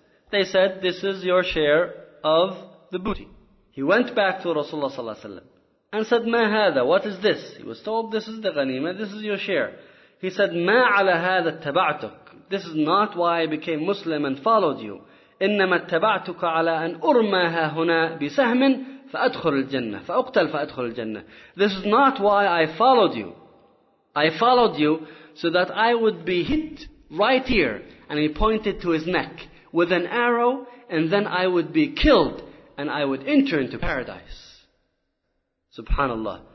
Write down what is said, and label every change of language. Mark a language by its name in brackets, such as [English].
[English] They said, "This is your share of the booty." He went back to Rasulullah sallallahu alaihi wasallam and said, [Arabic] "Ma hadha? [English] What is this?" He was told, "This is the ghanima, this is your share." He said, [Arabic] "Ma ala hadha tabatuk? [English] This is not why I became Muslim and followed you. [Arabic] إنما اتبعتك على أن أرماها هنا بسهم فأدخل الجنة فأقتل فأدخل الجنة. [English] This is not why I followed you. I followed you so that I would be hit right here." And he pointed to his neck with an arrow, and then I would be killed and I would enter into paradise. Subhanallah.